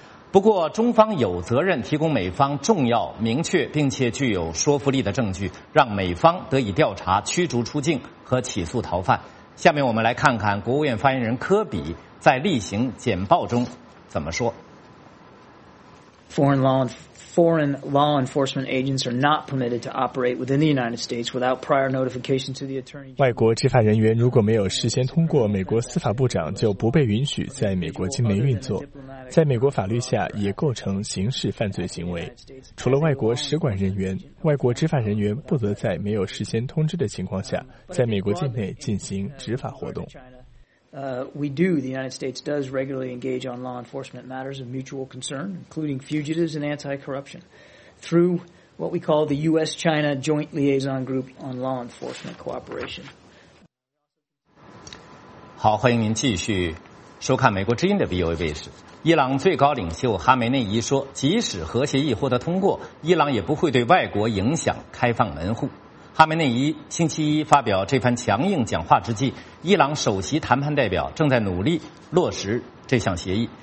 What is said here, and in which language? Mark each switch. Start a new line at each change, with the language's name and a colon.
Chinese: 不过中方有责任提供美方重要明确并且具有说服力的证据，让美方得以调查驱逐出境和起诉逃犯。下面我们来看看国务院发言人科比在例行简报中怎么说。
English: Foreign law enforcement agents are not permitted to operate within the United States without prior notification to the attorney general.
Chinese: 外国执法人员如果没有事先通过美国司法部长，就不被允许在美国境内运作，在美国法律下也构成刑事犯罪行为。除了外国使馆人员，外国执法人员不得在没有事先通知的情况下，在美国境内进行执法活动。
English: The United States does regularly engage on law enforcement matters of mutual concern, including fugitives and anti-corruption, through what we call the U.S.-China Joint Liaison Group on Law Enforcement Cooperation.
Chinese: 好，欢迎您继续收看美国之音的 VOA 卫视。伊朗最高领袖哈梅内伊说，即使核协议获得通过，伊朗也不会对外国影响开放门户。哈梅内伊星期一发表这番强硬讲话之际，伊朗首席谈判代表正在努力落实这项协议。